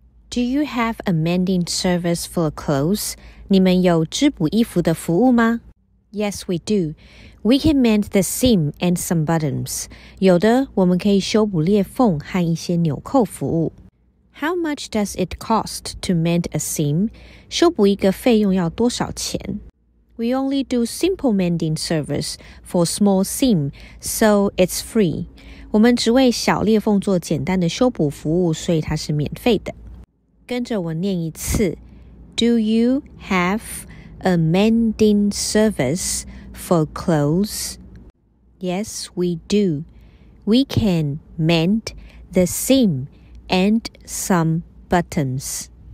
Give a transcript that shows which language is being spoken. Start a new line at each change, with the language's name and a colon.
English: Do you have a mending service for clothes?
Chinese: 你们有织补衣服的服务吗？
English: Yes, we do. We can mend the seam and some buttons.
Chinese: 有的，我们可以修补裂缝和一些纽扣服务。
English: How much does it cost to mend a seam?
Chinese: 修补一个费用要多少钱？
English: We only do simple mending service for small seam, so it's free.
Chinese: 我们只为小裂缝做简单的修补服务，所以它是免费的。跟着我念一次。
English: Do you have a mending service for clothes? Yes, we do. We can mend the seam and some buttons.